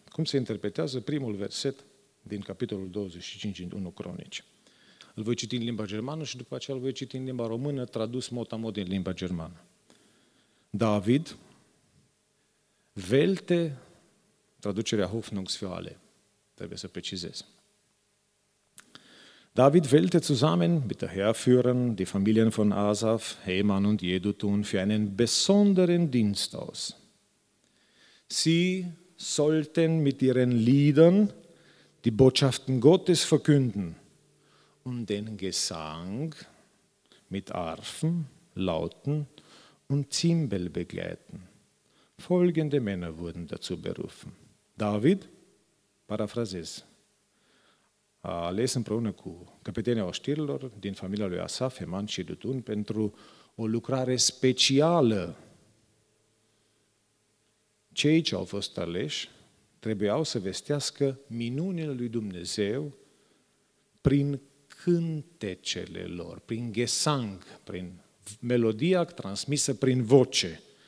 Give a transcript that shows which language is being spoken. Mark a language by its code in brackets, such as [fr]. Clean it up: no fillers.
[ro] Cum se interpretează primul verset din capitolul 25 din 1 Cronici. Îl voi citi în limba germană și după aceea îl voi citi în limba română, tradus mot-a-mot din limba germană. David, welte, traducerea Hoffnungsfiale, trebuie să precizez. [de] David welte zusammen mit der Heerführern, die Familien von Asaf, Heman und Jedutun, für einen besonderen Dienst aus. Sie sollten mit ihren Liedern die Botschaften Gottes verkünden, und den Gesang mit Arfen, Lauten und Zimbel begleiten. Folgende Männer wurden dazu berufen. [ro] David, paraphrasez, a ales împreună cu căpetenia oștirilor din familia lui Asaf, Heman și Dutun, pentru o lucrare specială. Cei ce au fost aleși trebuiau să vestească minunile lui Dumnezeu prin cântecele lor, prin gesang, prin melodia transmisă prin voce.